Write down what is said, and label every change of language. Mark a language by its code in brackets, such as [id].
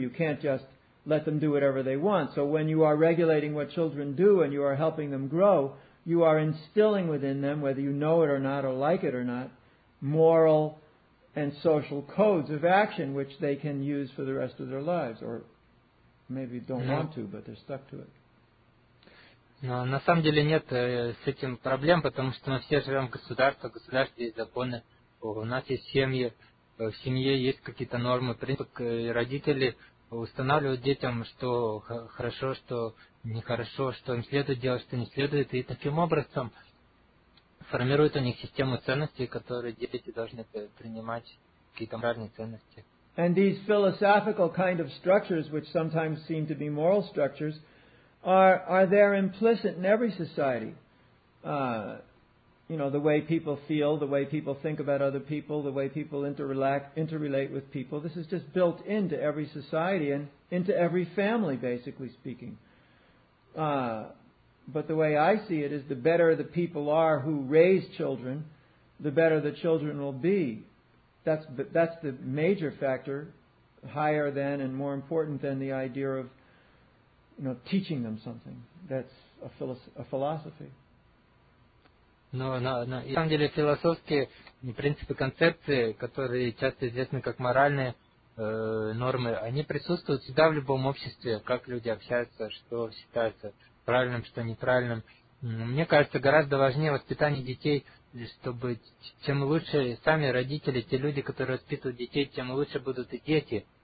[en] You can't just let them do whatever they want. So when you are regulating what children do and you are helping them grow, you are instilling within them, whether you know it or not or like it or not, moral and social codes of action which they can use for the rest of their lives, or maybe don't want to, but they're stuck to it. [ru] Но на самом деле нет с этим проблем, потому что мы все живем в государстве, в государстве есть законы, у нас есть семьи, в семье есть какие-то нормы, принципы, и родители устанавливают детям, что хорошо, что нехорошо, что им следует делать, что не следует, и таким образом формируют у них систему ценностей, которые дети должны принимать, какие-то моральные ценности. [en] And these philosophical kind of structures, which sometimes seem to be moral structures, are there implicit in every society. You know, the way people feel, the way people think about other people, the way people interrelate with people, this is just built into every society and into every family, basically speaking. But the way I see it is the better the people are who raise children, the better the children will be. That's the major factor, higher than and more important than the idea of, you know, teaching them something. That's a philosophy. [ru] Но на самом деле философские принципы, концепции, которые часто известны как моральные нормы, они присутствуют всегда в любом обществе, как люди общаются, что считается правильным, что неправильным. Мне кажется, гораздо важнее воспитание детей, чтобы чем лучше сами родители, те люди, которые воспитывают детей, тем лучше будут и дети.